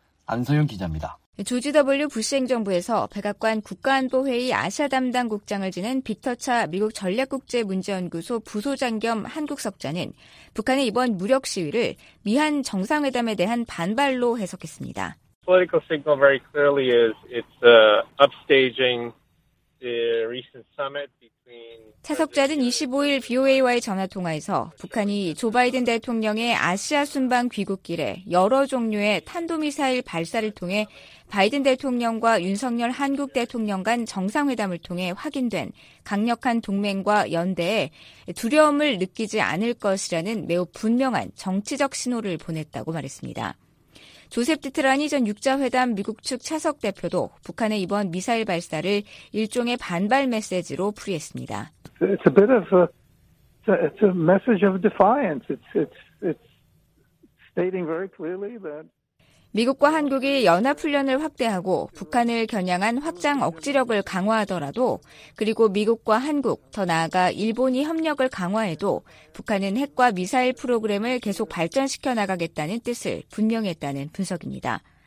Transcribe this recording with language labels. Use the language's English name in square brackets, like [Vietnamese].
[Korean] 안소영 기자입니다. 조지 W. 부시 행정부에서 백악관 국가안보회의 아시아 담당 국장을 지낸 빅터 차 미국 전략국제문제연구소 부소장 겸 한국석자는 북한의 이번 무력 시위를 미한 정상회담에 대한 반발로 해석했습니다. [English] Political signal very clearly is it's upstaging the recent summit between. [Korean] 차석자는 25일 VOA와의 전화 통화에서 북한이 조 바이든 대통령의 아시아 순방 귀국길에 여러 종류의 탄도미사일 발사를 통해 바이든 대통령과 윤석열 한국 대통령 간 정상회담을 통해 확인된 강력한 동맹과 연대에 두려움을 느끼지 않을 것이라는 매우 분명한 정치적 신호를 보냈다고 말했습니다. 조셉 디트라니 전 6자회담 미국 측 차석 대표도 북한의 이번 미사일 발사를 일종의 반발 메시지로 풀이했습니다. [English] It's a bit of a message of defiance. It's stating very clearly that [Korean] 미국과 한국이 연합훈련을 확대하고 북한을 겨냥한 확장 억지력을 강화하더라도 그리고 미국과 한국, 더 나아가 일본이 협력을 강화해도 북한은 핵과 미사일 프로그램을 계속 발전시켜 나가겠다는 뜻을 분명했다는 분석입니다.